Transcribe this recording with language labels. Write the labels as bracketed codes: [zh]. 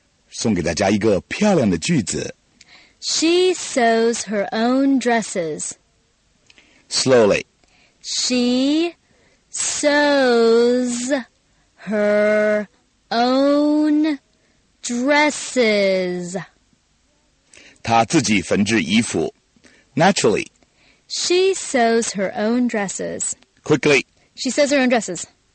[zh] 送给大家一个漂亮的句子 [en] She sews her own dresses. Slowly. She sews her own dresses. [zh] 她自己缝制衣服 Naturally [en] She sews her own dresses Quickly She sews her own dresses